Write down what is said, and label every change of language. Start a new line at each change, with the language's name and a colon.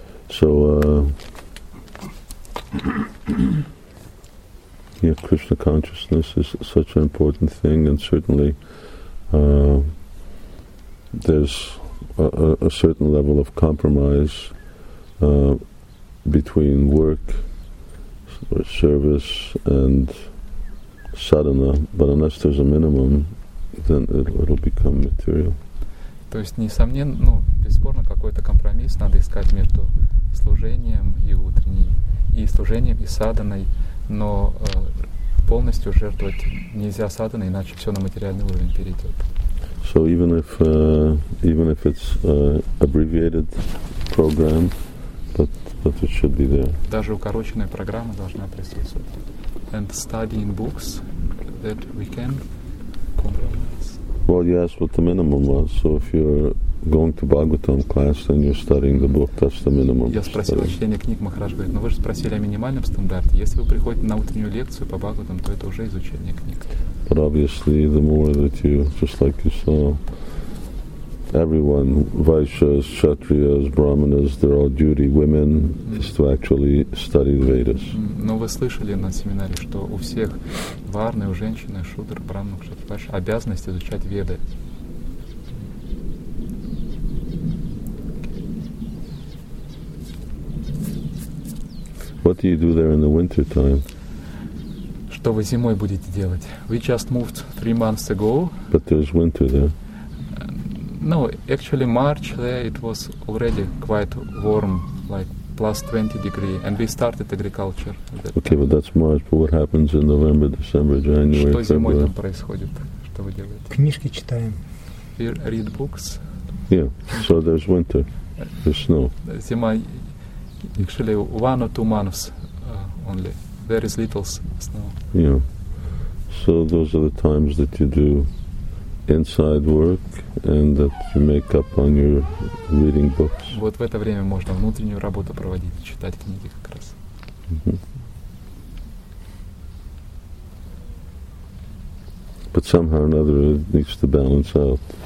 English: So, yeah, Krishna consciousness is such an important thing, and certainly there's a certain level of compromise between work or service and sadhana, but unless there's a minimum, then it'll become material.
Russian: То есть, несомненно, ну, бесспорно, какой-то компромисс надо искать между служением и утренней, и служением, и садханой, но полностью жертвовать нельзя садханой, иначе все на материальный уровень перейдет.
English: So even if it's abbreviated program, but it should be there.
Russian: Даже укороченная программа должна присутствовать.
English: And studying books that we can compromise. Well, you asked what the minimum was, so if you're going to Bhagavatam class, then you're studying the book, that's the minimum.
Russian: Я спросил о чтении книг, Махарадж говорит, но вы же спросили о минимальном стандарте. Если вы приходите на утреннюю лекцию по Бхагаватам, то это уже изучение книг.
English: But obviously, the more that you, just like you saw, everyone, Vaishyas, Kshatriyas, Brahmanas, they're all duty women, is to actually study the Vedas.
Russian: Но вы слышали на семинаре, что у всех варны, у женщины, шудр, брахман, кшатри, ваша обязанность изучать Веды.
English: What do you do there in the winter time?
Russian: Что вы зимой будете делать?
English: We just moved 3 months ago. But there's winter there. No, actually March there it was already quite warm, like plus 20 degrees, and we started agriculture. Okay, but that's March. But what happens in November, December, January, February?
Russian: Что зимой там происходит? Что вы делаете? Книжки читаем.
English: We read books. Yeah. So there's winter. There's snow.
Russian: Зима.
English: Actually, 1 or 2 months only. There is little snow. Yeah. So those are the times that you do inside work and that you make up on your reading books.
Russian: Вот в это время можно внутреннюю работу проводить, читать книги как раз.
English: But somehow or another it needs to balance out.